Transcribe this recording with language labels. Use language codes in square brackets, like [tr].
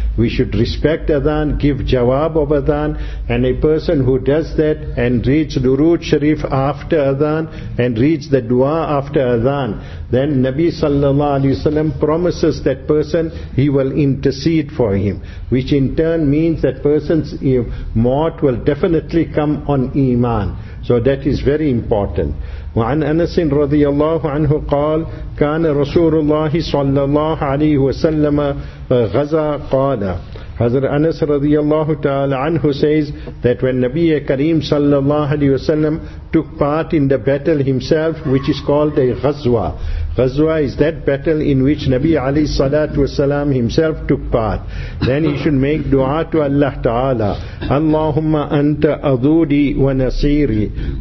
[en] We should respect adhan, give jawab of adhan, and a person who does that and reads durood sharif after adhan and reads the du'a after adhan, then Nabi sallallahu alayhi wa sallam promises that person he will intercede for him, which in turn means that person's mort will definitely come on iman. So that is very important. [ar] وعن أنس رضي الله عنه قال كان رسول الله صلى الله عليه وسلم غزا قال. [en] Hazrat Anas radiyallahu ta'ala anhu says that when Nabi Kareem sallallahu alayhi wasallam took part in the battle himself, which is called a ghazwa. Ghazwa is that battle in which Nabi alayhi salatu wasalam himself took part. Then he should make dua to Allah ta'ala. [ar] Allahumma anta adudi wa nasiri.